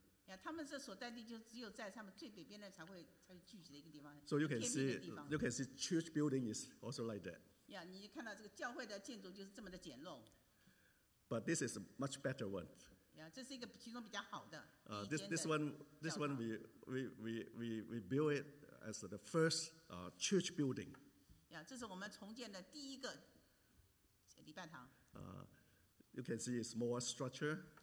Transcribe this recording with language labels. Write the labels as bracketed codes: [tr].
[zh] Yeah, 他们这所在地就只有在他们最北边的才会聚集的一个地方。 [en] So you can see church building is also like that. [zh] Yeah, 你看到这个教会的建筑就是这么的简陋。 [en] But this is a much better one. [zh] Yeah, 这是一个其中比较好的。 [en] This one we built it as the first church building. [zh] Yeah, 这是我们重建的第一个礼拜堂。 [en] You can see a small structure.